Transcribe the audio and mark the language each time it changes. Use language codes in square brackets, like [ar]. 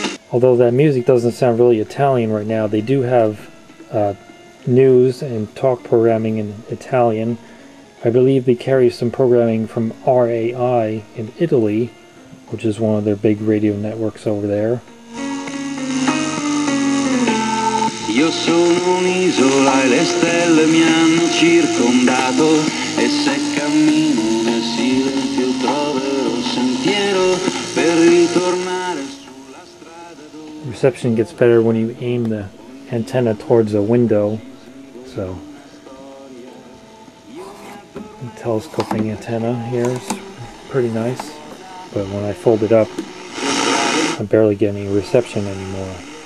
[en] Although that music doesn't sound really Italian right now, they do have news and talk programming in Italian. I believe they carry some programming from RAI in Italy, which is one of their big radio networks over there. [it] Io sono un'isola e le stelle mi hanno circondato e se cammino nel silenzio troverò un sentiero per ritornare sulla strada. [en] Reception gets better when you aim the antenna towards a window, so the telescoping antenna here is pretty nice. But when I fold it up, I barely get any reception anymore.